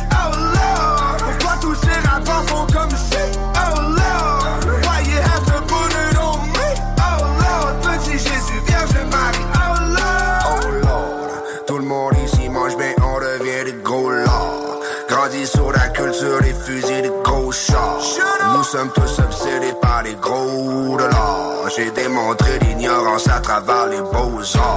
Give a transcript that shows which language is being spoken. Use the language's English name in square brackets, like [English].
[French] Oh lord, pourquoi tous ces rappeurs font comme si? [English] Oh lord, why you have to put it on me? [French] Oh lord, petit Jésus, Vierge Marie. Oh lord, oh lord, tout le monde ici mange bien, on devient des gros lords. Grandis sur la culture des fusils de gros chars. Nous sommes tous obsédés par les gros de l'or. J'ai démontré l'ignorance à travers les beaux-arts.